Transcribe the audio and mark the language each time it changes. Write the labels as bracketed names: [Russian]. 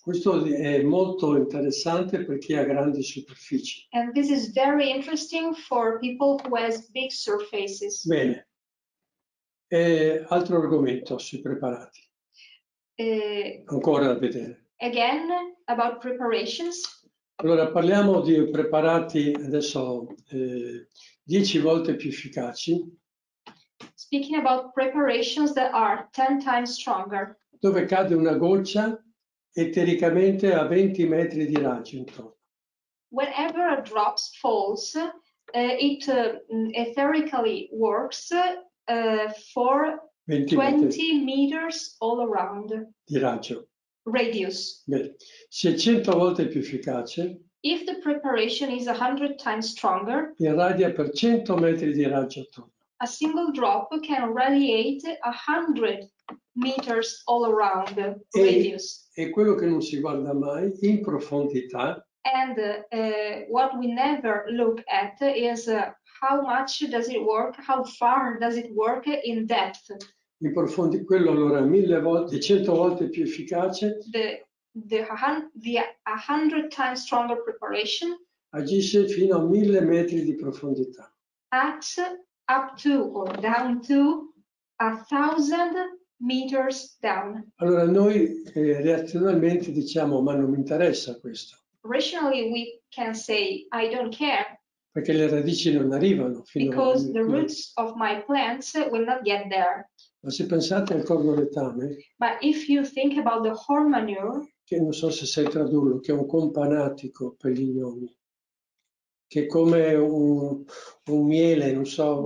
[Italian] Questo è molto interessante per chi ha grandi superfici. [English] And this is very interesting for people who has big surfaces. [Italian] Bene. E altro argomento sui preparati. Ancora da vedere. [English] Again, about preparations. [Italian] Allora, parliamo di preparati adesso 10 volte più efficaci. [English] Speaking about preparations that are 10 times stronger. [Italian] Dove cade una goccia etericamente a 20 metri di raggio intorno. [English] Whenever a drop falls, it etherically works for 20 meters all around. [Italian] Di raggio. [English] Radius. [Italian] Bene. Se è 100 volte più efficace. [English] If the preparation is 100 times stronger, [Italian] irradia per 100 metri di raggio attorno. [English] a single drop can radiate 100 meters all around the radius. [Italian] E quello che non si guarda mai, in profondità. [English] And what we never look at is how much does it work, how far does it work in depth. [Italian] In profondi, quello allora 100 volte più efficace. [English] The 100 times stronger preparation [Italian] agisce fino a 1000 metri di profondità. [English] Acts up to or down to 1000 meters down. [Italian] Allora noi reazionalmente diciamo ma non mi interessa questo. [English] Rationally we can say I don't care. [Italian] Perché le radici non arrivano fino [English] because a the roots of my plants will not get there. [Italian] Ma se pensate al corno letame. [English] But if you think about the horn manure, [Italian] che non so se sai tradurlo, che è un companatico per gli gnomi, che è come un miele, non so.